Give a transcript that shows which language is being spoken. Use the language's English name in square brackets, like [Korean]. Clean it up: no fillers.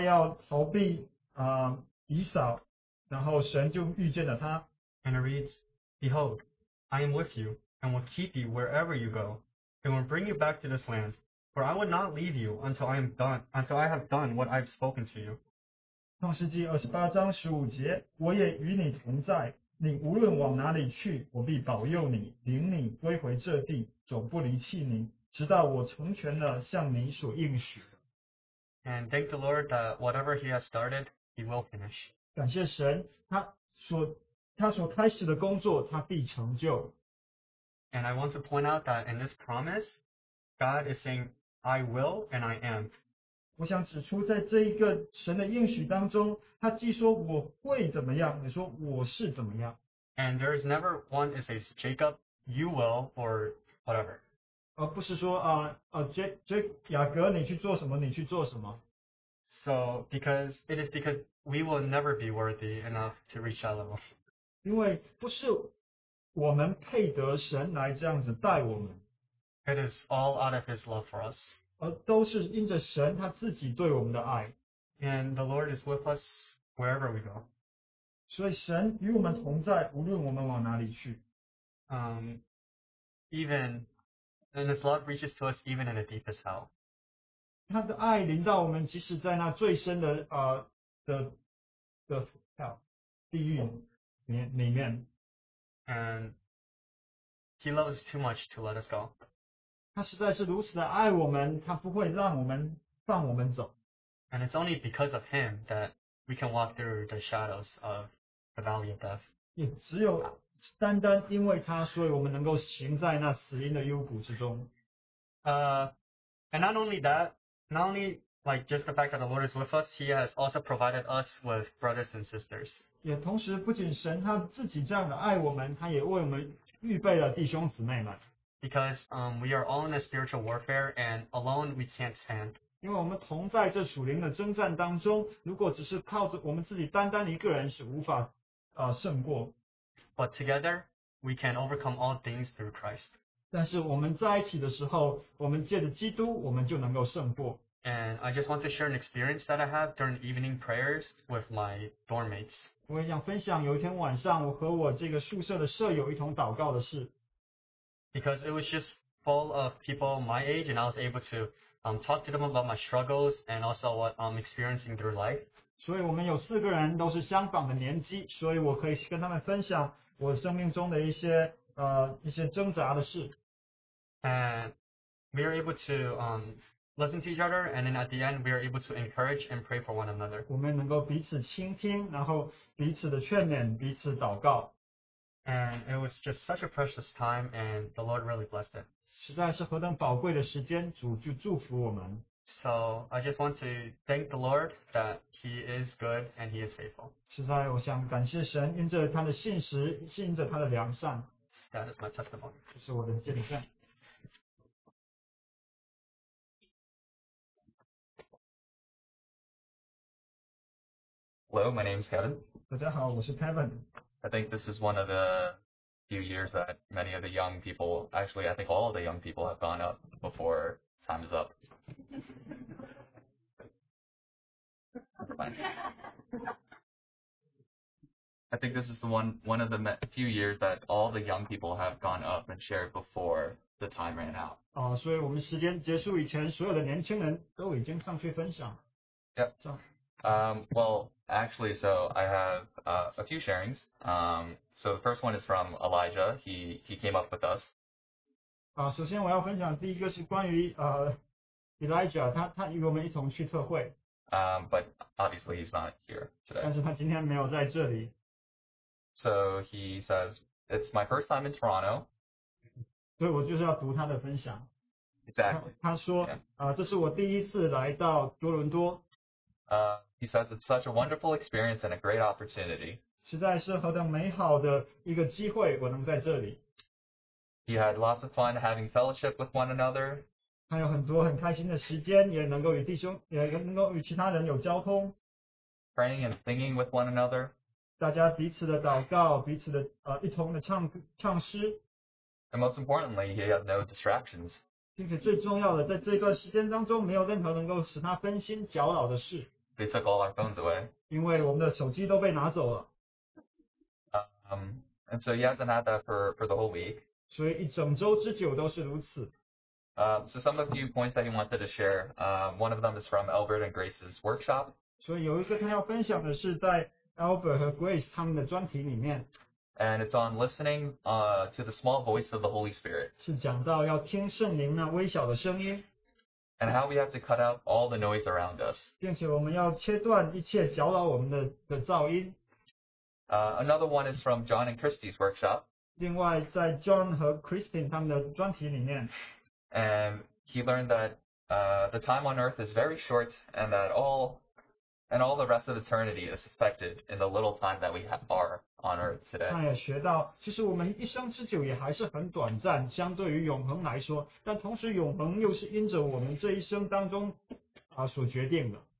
[Chinese] 这里讲到雅各他要逃避以扫, 然后神就遇见了他。 [English] And it reads, Behold, I am with you, and will keep you wherever you go, and will bring you back to this land. For I would not leave you until I am done, until I have done what I have spoken to you. [Chinese] 创世纪28章15节，我也与你同在，你无论往哪里去，我必保佑你，领你归回这地，总不离弃你，直到我成全了向你所应许的。 [English] And thank the Lord that whatever He has started, He will finish. [Chinese] 感谢神，他所开始的工作，他必成就。 [English] And I want to point out that in this promise, God is saying, "I will and I am." [Chinese] 我想指出，在这一个神的应许当中，他既说我会怎么样，也说我是怎么样。 [English] And there is never one that says, "Jacob, you will or whatever." [Chinese] 而不是说啊啊，雅各，你去做什么，你去做什么。 [English] So because it is because we will never be worthy enough to reach that level. [Chinese] 因为不是我们配得神来这样子待我们。 [English] It is all out of His love for us. [Chinese] 而都是因着神他自己对我们的爱。 [English] And the Lord is with us wherever we go. [Chinese] 所以神与我们同在，无论我们往哪里去。 [English] And His love reaches to us even in the deepest hell. [Chinese] 他的爱临到我们，即使在那最深的地狱里面。 [English] And He loves too much to let us go. [Chinese] 他实在是如此的爱我们，他不会让我们走。 [English] And it's only because of Him that we can walk through the shadows of the valley of death. [Chinese] 也只有单单因为他，所以我们能够行在那死荫的幽谷之中。 [English] And not only that. Not only like just the fact that the Lord is with us, He has also provided us with brothers and sisters. [Chinese] 也同时不仅神他自己这样的爱我们，他也为我们预备了弟兄姊妹们。 [English] Because we are all in a spiritual warfare, and alone we can't stand. [Chinese] 因为我们同在这属灵的征战当中，如果只是靠着我们自己单单一个人是无法胜过。 [English] But together we can overcome all things through Christ. [Chinese] 但是我们在一起的时候，我们借着基督，我们就能够胜过。 [English] And I just want to share an experience that I have during evening prayers with my dorm mates. [Chinese] 我也想分享有一天晚上，我和我这个宿舍的舍友一同祷告的事。 [English] Because it was just full of people my age, and I was able to talk to them about my struggles and also what I'm experiencing through life. [Chinese] 所以我们有四个人都是相仿的年纪，所以我可以跟他们分享我生命中的一些。一些挣扎的事。 [English] And we are able to listen to each other, and then at the end, we are able to encourage and pray for one another. [Chinese] 我们能够彼此倾听，然后彼此的劝勉，彼此祷告。 [English] And it was just such a precious time, and the Lord really blessed it. [Chinese] 实在是何等宝贵的时间，主就祝福我们。 [English] So I just want to thank the Lord that He is good and He is faithful. [Chinese] 实在我想感谢神，因着他的信实，因着他的良善。 [English] That is my testimony. [Chinese] 这是我的见证。 [English] Hello, my name is Kevin. [Chinese] 大家好，我是 Kevin. [English] I think this is one of the few years that many of the young people, actually, I think all of the young people have gone up before time is up. I think this is the one of the few years that all the young people have gone up and shared before the time ran out. [Chinese] 所以我们时间结束以前，所有的年轻人都已经上去分享。 [English] Yep. So. Well, actually, so I have a few sharings. So the first one is from Elijah. He came up with us. [Chinese] 首先我要分享第一个是关于Elijah, 他与我们一同去特会。 [English] But obviously he's not here today. [Chinese] 但是他今天没有在这里。 [English] So he says, it's my first time in Toronto. [Chinese] 对，我就是要读他的分享。 [English] Exactly. [Chinese] 他说，这是我第一次来到多伦多。 [English] He says, it's such a wonderful experience and a great opportunity. [Chinese] 实在是何等美好的一个机会，我能在这里。 [English] He had lots of fun having fellowship with one another. [Chinese] 他有很多很开心的时间，也能够与弟兄，也能够与其他人有交通。 [English] Praying and singing with one another. [Chinese] 大家彼此的祷告，彼此的一同的唱诗。 [English] And most importantly, he had no distractions. [Chinese] 并且最重要的，在这段时间当中，没有任何能够使他分心搅扰的事。 [English] They took all our phones away. [Chinese] 因为我们的手机都被拿走了。 [English] And so he hasn't had that for the whole week. [Chinese] 所以一整周之久都是如此。 [English] So some of the few points that he wanted to share, one of them is from Albert and Grace's workshop. [Chinese] 所以有一个他要分享的是在。 Albert 和 Grace 他们的专题里面 [English] ，and it's on listening to the small voice of the Holy Spirit. [Chinese] 是讲到要听圣灵那微小的声音。 [English] And how we have to cut out all the noise around us. Another one is from John and Christie's workshop. And he learned that the time on earth is very short and that all the rest of eternity is affected in the little time that we are on earth today. [Chinese] 他也学到,其实我们一生之久也还是很短暂,相对于永恒来说,但同时永恒又是因着我们这一生当中所决定的。